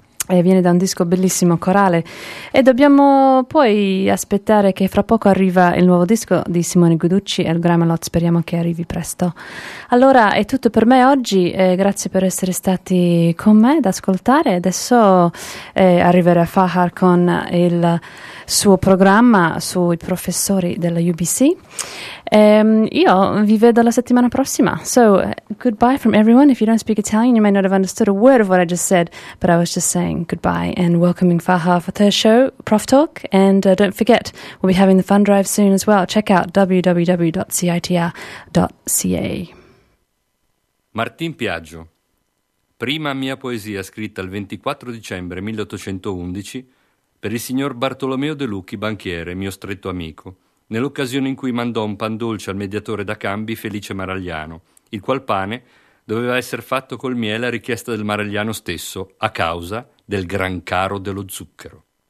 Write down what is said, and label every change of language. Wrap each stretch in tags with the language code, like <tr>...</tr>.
<it>E viene da un disco bellissimo, corale, e dobbiamo poi aspettare che fra poco arriva il nuovo disco di Simone Guiducci e il Gramelot, speriamo che arrivi presto. Allora è tutto per me oggi, grazie per essere stati con me ad ascoltare. Adesso arriverà Fahar con il suo programma sui professori della UBC. Io vi vedo la settimana prossima.</it> <en>So goodbye from everyone. If you don't speak Italian, you may not have understood a word of what I just said, but I was just saying goodbye and welcoming Faha for the show, Prof Talk. And don't forget, we'll be having the fun drive soon as well. Check out www.citr.ca.</en> <it>Martin Piaggio, prima mia poesia scritta il 24 dicembre 1811 per il signor Bartolomeo De Lucchi, banchiere, mio stretto amico, nell'occasione in cui mandò un pan dolce al mediatore da cambi Felice Maragliano, il qual pane doveva essere fatto col miele a richiesta del Maragliano stesso a causa del gran caro dello zucchero.</it>